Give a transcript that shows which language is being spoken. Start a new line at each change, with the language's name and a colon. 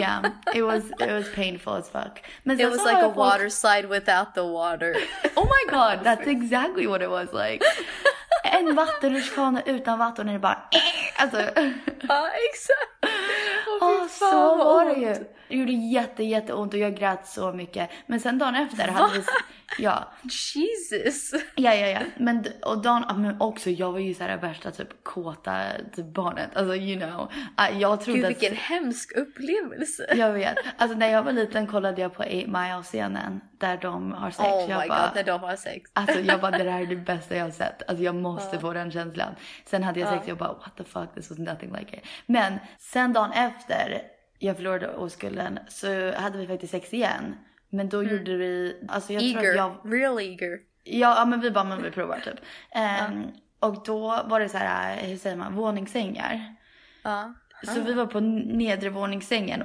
English: Yeah, it was painful as fuck. Men it was like a water slide without the water. Oh my god, that's exactly what it was like.
Swedish: En vattenrutschkana utan vatten är bara... Alltså. Ja, exakt. Åh, så var det ju. Det gjorde jätte, jätte ont och jag grät så mycket. Men sen dagen efter hade vi... Ja. Jesus. Ja, ja, ja. Men, och dagen, men också, jag var ju så här värsta typ kåta barnet. Alltså,
English: you know.
Swedish: Jag trodde gud, vilken hemsk upplevelse. Jag vet. Alltså, när jag var liten kollade jag på 8 Mile-scenen. Där de har sex.
English: Oh
Swedish: jag my bara, god, när de har sex. Alltså, jag bara, det här är det bästa jag har sett. Alltså, jag måste få den känslan. Sen hade jag sex, jag bara,
English: what the fuck, this was nothing like it.
Swedish: Men, sen dagen efter jag förlorade oskulden så hade vi faktiskt sex igen. Men då gjorde vi... Alltså jag
English: eager,
Swedish: tror jag,
English: real eager.
Swedish: Ja, men vi bara, men vi provar typ. Och då var det så här, hur säger man, våningssängar. Så vi var på nedre våningssängen.